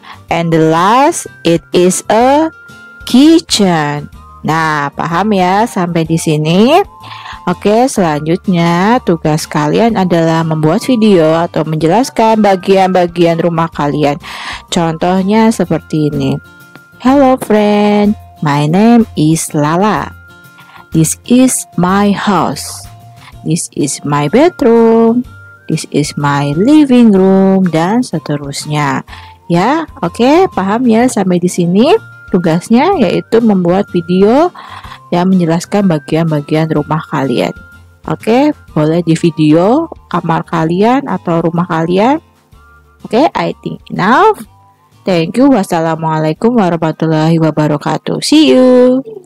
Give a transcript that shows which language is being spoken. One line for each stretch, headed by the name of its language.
English: And the last, it is a kitchen.
Indonesian: Nah, paham ya sampai di sini? Oke, selanjutnya tugas kalian adalah membuat video atau menjelaskan bagian-bagian rumah kalian. Contohnya seperti ini.
English: Hello friend, my name is Lala. This is my house. This is my bedroom. This is my living room,
Indonesian: dan seterusnya. Ya, oke, paham ya sampai di sini? Tugasnya yaitu membuat video yang menjelaskan bagian-bagian rumah kalian. Oke, boleh di video kamar kalian atau rumah kalian.
English: Oke, I think enough. Thank you. Wassalamualaikum warahmatullahi wabarakatuh. See you.